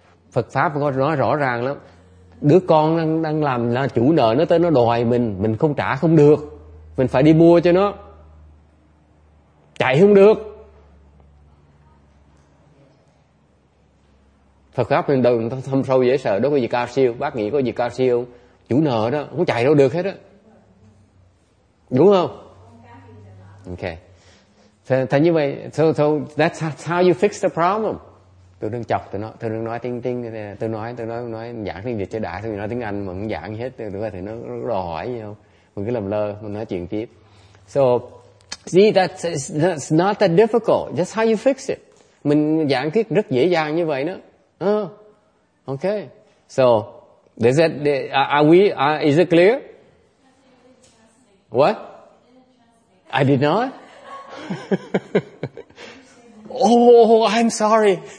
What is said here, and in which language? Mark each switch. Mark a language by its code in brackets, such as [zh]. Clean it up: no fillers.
[vi] Phật Pháp có nói rõ ràng lắm. Đứa con đang làm là chủ nợ, nó tới nó đòi mình không trả không được. Mình phải đi mua cho nó. Chạy không được. Phật Pháp mình đừng thâm sâu dễ sợ, đâu có gì cao siêu. Bác nghĩ có gì cao siêu không? Chủ nợ đó, không chạy đâu được hết á. Đúng không? Ok. Thành như vậy, [en] so that's how you fix the problem. [vi] Tôi đang chọc tụi nó, tôi đang nói tiếng, tôi nói giảng tiếng Việt cho đã, tôi nói tiếng Anh mà cũng giảng hết, thì nó đòi hỏi gì không? Mình cứ làm lơ, mình nói chuyện tiếp. [en] So, see, that's not that difficult, that's how you fix it. [vi] Mình giảng thuyết rất dễ dàng như vậy đó. [en] Okay, so, is it clear? What? I did not? Oh, I'm sorry.